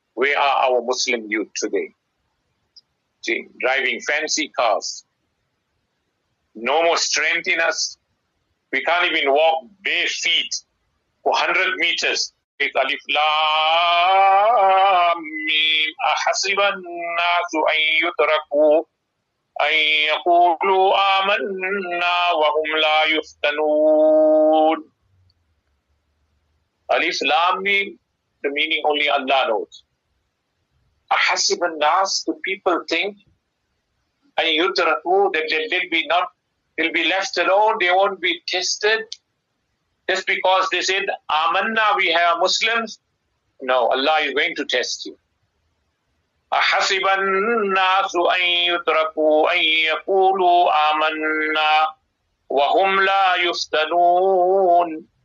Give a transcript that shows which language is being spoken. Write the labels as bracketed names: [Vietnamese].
[English] Where are our Muslim youth today? See, driving fancy cars. No more strength in us. We can't even walk bare feet for 100 meters. [Arabic] It's alif lam mim. أحسب الناس أن يتركوا أن يقولوا آمنا وهم لا يفتنون. [English] Alif Lam Mim, the meaning only Allah knows. [Arabic] أحسب الناس, [English] do people think, [Arabic] أن يتركوا, [English] that they'll be left alone, they won't be tested, just because they said, آمنا, we have Muslims. No, Allah is going to test you. [Arabic] أحسب الناس أن يتركوا أن يقولوا آمنا وهم لا يفتنون.